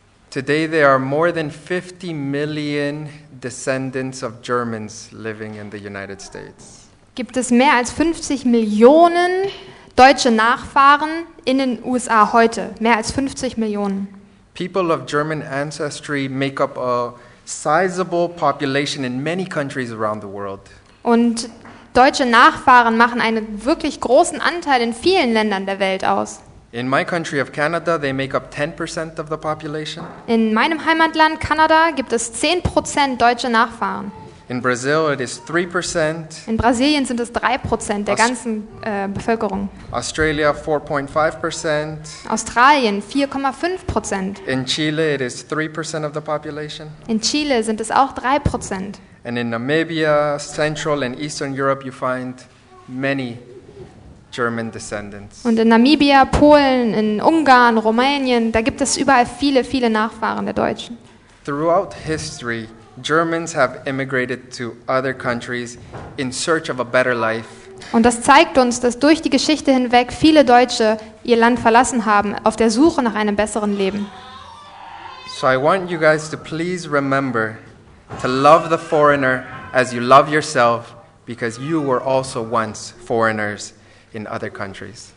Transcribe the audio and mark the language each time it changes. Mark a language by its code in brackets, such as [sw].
[en] today there are more than 50 million descendants of Germans living in the United States. [de] Gibt es mehr als 50 Millionen deutsche Nachfahren in den USA heute? Mehr als 50 Millionen. [en] People of German ancestry make up a sizable population in many countries around the world. [de] Und deutsche Nachfahren machen einen wirklich großen Anteil in vielen Ländern der Welt aus. [en] In my country of Canada, they make up 10% of the population. [de] In meinem Heimatland Kanada gibt es 10% deutsche Nachfahren. [en] In Brazil it is 3%. [de] In Brasilien sind es 3% der ganzen Bevölkerung. [en] Australia 4.5%. [de] Australien 4.5%. [en] In Chile it is 3% of the population. [de] In Chile sind es auch 3%. [en] And in Namibia, Central and Eastern Europe you find many German descendants. [de] Und in Namibia, Polen, in Ungarn, Rumänien, da gibt es überall viele, viele Nachfahren der Deutschen. [en] Throughout history, Germans have immigrated to other countries in search of a better life. [de] Und das zeigt uns, dass durch die Geschichte hinweg viele Deutsche ihr Land verlassen haben auf der Suche nach einem besseren Leben. [en] So I want you guys to please remember to love the foreigner as you love yourself, because you were also once foreigners in other countries.